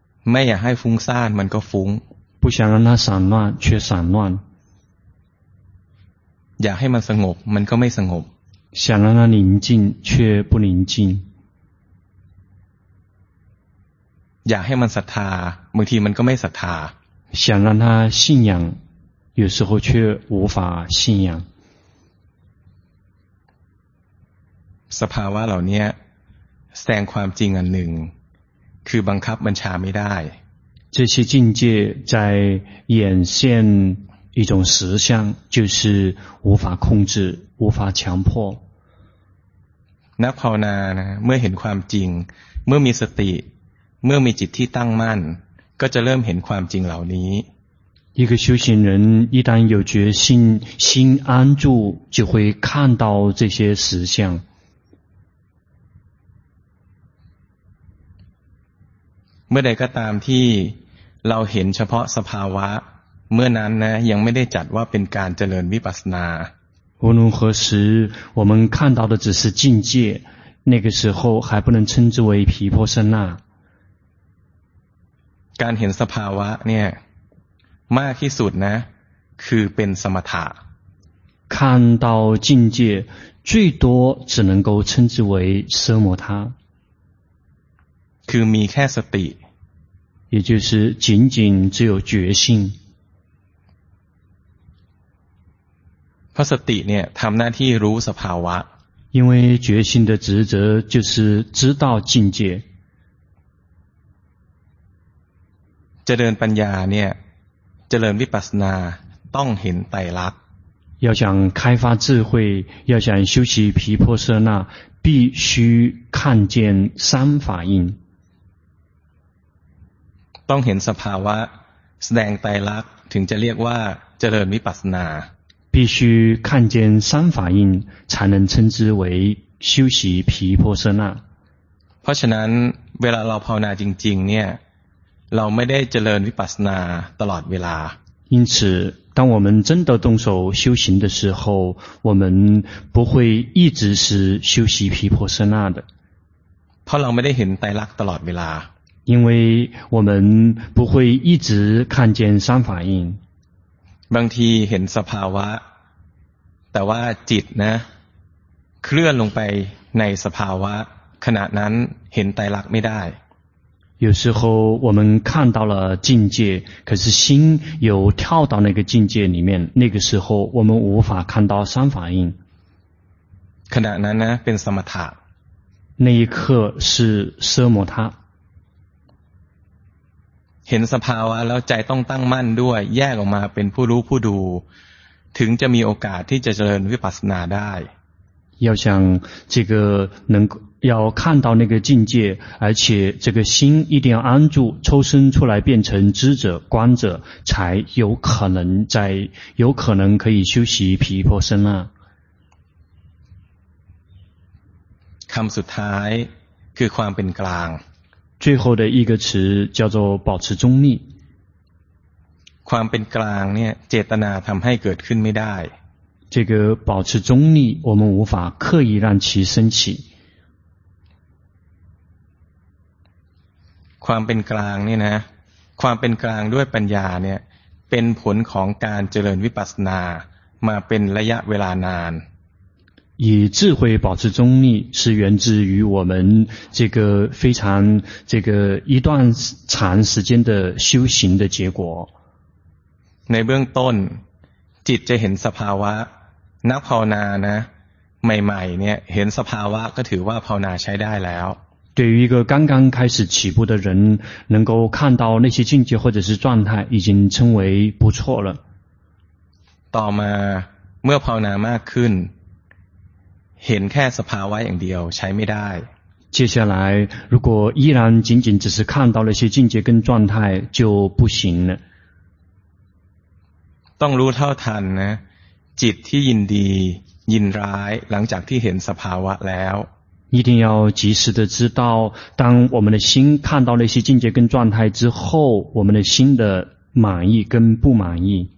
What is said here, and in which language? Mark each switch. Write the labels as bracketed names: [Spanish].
[Thai] ไม่อยากให้ฟุ้งซ่านมันก็ฟุ้ง [Chinese] 不想让他散乱却散乱 [Thai] อยากให้มันสงบมันก็ไม่สงบ [Chinese] 想让他宁静却不宁静 [Thai] อยากให้มันศรัทธาบางทีมันก็ไม่ศรัทธา [Chinese] 想让他信仰有时候却无法信仰 [Thai] สภาวะเหล่านี้แสดงความจริงอันหนึ่งคือบังคับบัญชาไม่ได้ [Chinese] 这些境界在演现一种实相就是无法控制无法强迫 [Thai] นักภาวนานะเมื่อเห็นความจริงเมื่อมีสติเมื่อมีจิตที่ตั้งมั่นก็จะเริ่มเห็นความจริงเหล่านี้ [Chinese] 一个修行人一旦有决心心安住就会看到这些实相 [Thai] เมื่อใดก็ตามที่เราเห็นเฉพาะสภาวะเมื่อนั้นนะยังไม่ได้จัดว่าเป็นการเจริญวิปัสสนา [Chinese] 无论何时我们看到的只是境界那个时候还不能称之为毗婆舍那 [Thai] การเห็นสภาวะเนี่ยมากที่สุดนะคือเป็นสมถะ [Chinese] 看到境界最多只能够称之为奢摩他 [Thai] คือมีแค่สติ [Chinese] 也就是仅仅只有觉性 [Thai] เพราะสติเนี่ยทำหน้าที่รู้สภาวะ [Chinese] 因为觉性的职责就是知道境界 [Thai] เจริญปัญญาเนี่ยเจริญวิปัสสนาต้องเห็นไตรลักษณ์ [Chinese] 要想开发智慧要想修习毗婆舍那必须看见三法印 [Thai] ต้องเห็นสภาวะแสดงไตรลักษณ์ถึงจะเรียกว่าเจริญวิปัสสนา [Chinese] 必须看见三法印才能称之为修习毗婆舍那 [Thai] เพราะฉะนั้นเวลาเราภาวนาจริงๆเนี่ยเราไม่ได้เจริญวิปัสสนาตลอดเวลา [Chinese] 因此当我们真的动手修行的时候我们不会一直是修习毗婆舍那的 [Thai] เพราะเราไม่ได้เห็นไตรลักษณ์ตลอดเวลา [Chinese] 因为我们不会一直看见三法印 [Thai] บางทีเห็นสภาวะแต่ว่าจิตนะเคลื่อนลงไปในสภาวะขณะนั้นเห็นไตรลักษณ์ไม่ได้ [Chinese] 有时候我们看到了境界可是心有跳到那个境界里面那个时候我们无法看到三法印 [Thai] ขณะนั้นนะเป็นสมถะ [Chinese] 那一刻是奢摩他 [Thai] เห็นสภาวะแล้วใจต้องตั้งมั่นด้วยแยกออกมาเป็นผู้รู้ผู้ดูถึงจะมีโอกาสที่จะเจริญวิปัสสนาได้ [Chinese] 要想这个能要看到那个境界而且这个心一定要安住抽身出来变成知者观者才有可能在有可能可以修习毗婆舍那 [Thai] คำสุดท้ายคือความเป็นกลาง [Chinese] 最后的一个词叫做保持中立 [Thai] ความเป็นกลางเนี่ยเจตนาทำให้เกิดขึ้นไม่ได้ [Chinese] 这个保持中立我们无法刻意让其升起 [Thai] ความเป็นกลางเนี่ยนะความเป็นกลางด้วยปัญญาเนี่ยเป็นผลของการเจริญวิปัสสนามาเป็นระยะเวลานาน [Chinese] 以智慧保持中立是源自于我们这个非常这个一段长时间的修行的结果 [Thai] ในเบื้องต้นจิตจะเห็นสภาวะนักภาวนานะใหม่ๆเนี่ยเห็นสภาวะก็ถือว่าภาวนาใช้ได้แล้ว [Chinese] 对于一个刚刚开始起步的人能够看到那些境界或者是状态已经称为不错了 [Thai] ต่อมาเมื่อภาวนามากขึ้นเห็นแค่สภาวะอย่างเดียวใช้ไม่ได้ [Chinese] 接下来如果依然仅仅只是看到那些境界跟状态就不行了 [Thai] ต้องรู้เท่าทันนะจิตที่ยินดียินร้ายหลังจากที่เห็นสภาวะแล้ว [Chinese] 一定要及时的知道当我们的心看到那些境界跟状态之后我们的心的满意跟不满意